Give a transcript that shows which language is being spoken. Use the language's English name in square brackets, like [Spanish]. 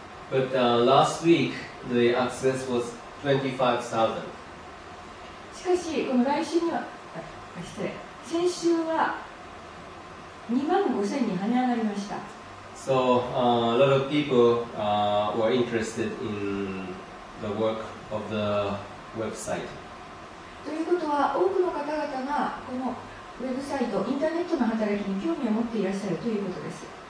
[English] But last week the access was 25,000. [Japanese] しかしこの来週には失礼、先週は25,000に跳ね上がりました。 [English] So a lot of people were interested in the work of the website. [Japanese] ということは多くの方々がこのウェブサイト、インターネットの働きに興味を持っていらっしゃるということです。